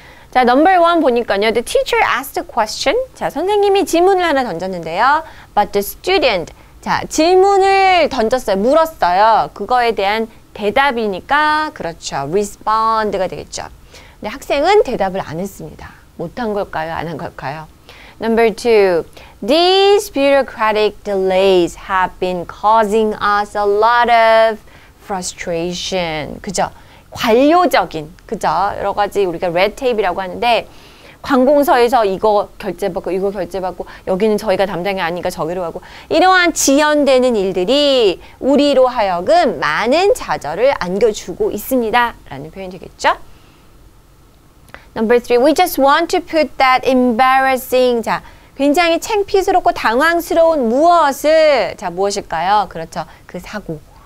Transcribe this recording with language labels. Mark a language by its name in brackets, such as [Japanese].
[English] 자, number one [Korean] 보니까요. [English] The teacher asked a question. [Korean] 자, 선생님이 질문을 하나 던졌는데요. [English] But the student. [Korean] 자, 질문을 던졌어요. 물었어요. 그거에 대한 대답이니까 그렇죠. respond가 되겠죠. 근데 학생은 대답을 안 했습니다. 못한 걸까요? 안 한 걸까요? [English] Number two, these bureaucratic delays have been causing us a lot of frustration. [Korean] 그죠? 관료적인, 그죠? 여러 가지 우리가 red tape이라고 하는데 관공서에서 이거 결제받고 이거 결제받고 여기는 저희가 담당이 아니니까 저기로 가고 이러한 지연되는 일들이 우리로 하여금 많은 좌절을 안겨주고 있습니다. 라는 표현이 되겠죠? [English] Number three, we just want to put that embarrassing, [Korean] 자, 굉장히 창피스럽고 당황스러운 무엇을, 자, 무엇일까요? 그렇죠. 그 사고.